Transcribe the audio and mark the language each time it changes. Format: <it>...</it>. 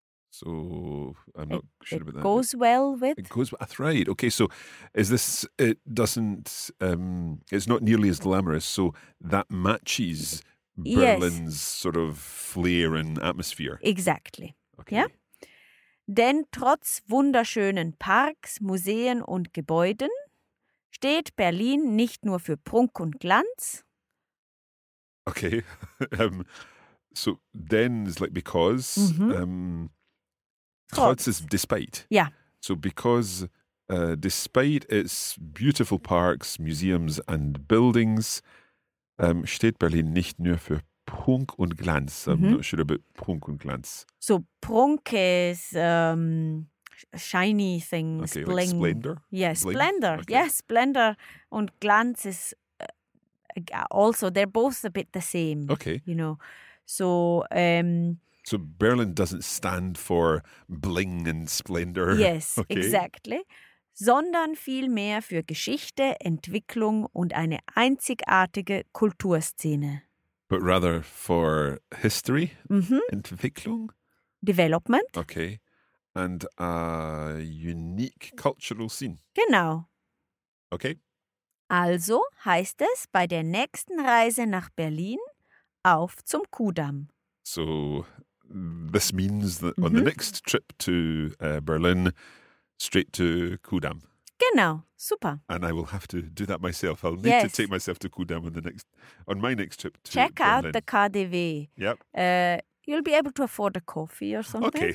<en>So I'm not sure about that. It goes well with. It goes well. Right. Okay. So is this, it doesn't, it's not nearly as glamorous. So that matches Berlin's yes. sort of flair and atmosphere. Exactly. Okay. Yeah.</en> <de>Denn trotz wunderschönen Parks, Museen und Gebäuden steht Berlin nicht nur für Prunk und Glanz.</de> <en>Okay. So then is like because.</en> <de>Trotz</de> <en>is despite. Yeah. So because despite its beautiful parks, museums and buildings,</en> <de>steht Berlin nicht nur für Prunk und Glanz.</de> <en>I'm not sure about</en> <de>Prunk und Glanz.</de> <en>So Prunk is shiny things. Okay, bling. Like splendor? Yes, splendor. Okay. Yes, splendor und Glanz is also, they're both a bit the same. Okay. You know, so... So Berlin doesn't stand for bling and splendor. Yes, okay. Exactly.</en> <de>Sondern vielmehr für Geschichte, Entwicklung und eine einzigartige Kulturszene.</de> <en>But rather for history, Entwicklung. Development. Okay. And a unique cultural scene.</en> <de>Genau.</de> <en>Okay.</en> <de>Also heißt es bei der nächsten Reise nach Berlin auf zum Kudamm.</de> <en>So... This means that on the next trip to Berlin, straight to Kudamm.</en> <de>Genau, super.</de> <en>And I will have to do that myself. I'll yes. need to take myself to Kudamm on my next trip to Check Berlin. Out the KDW. Yep. You'll be able to afford a coffee or something.</en>